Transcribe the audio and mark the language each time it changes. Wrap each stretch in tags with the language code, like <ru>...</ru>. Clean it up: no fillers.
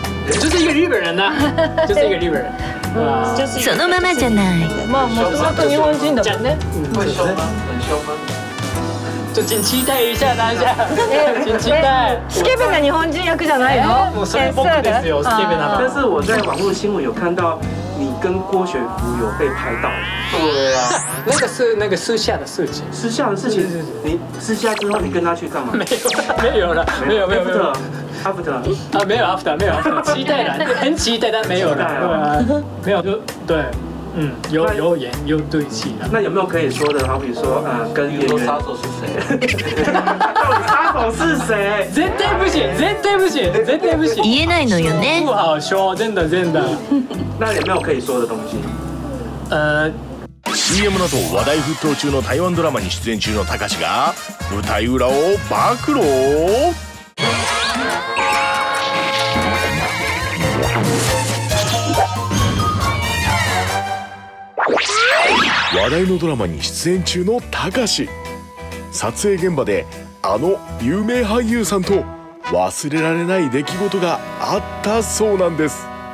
<zh>就是一个日本人呐、啊，就是一个日本人，就是</zh> <ja>そのままじゃない。まあもともと日本人だね。</ja> <zh>会凶吗？很凶吗？就请期待一下，大家，请期待。</zh> <ja>スケベな日本人役じゃないの？もうそれ僕ですよ、スケベな。</ja> <zh>但是我在网络新闻有看到。你跟郭雪芙有被拍到？对啊，那个是那个私下的事情。私下的事情，你私下之后你跟他去干嘛？没有，没有了，没有没有没有。</zh> <en>After</en> <zh>啊，没有 After， 没有 After， 期待的，很期待，但没有了，对啊，没有就对。嗯，有有演有对戏的。那有没有可以说的？好比说，跟演员杀手是谁？杀手是谁？絶対不行，絶対不行，絶対不行。</zh> <ja>言えないのよね。</ja> <zh>不好说，真的真的。那有没有可以说的东西？</zh> <ja>CM など話題沸騰中の台湾ドラマに出演中のたかしが舞台裏を暴露。話題のドラマに出演中のたかし、撮影現場であの有名俳優さんと忘れられない出来事があったそうなんです。</ja>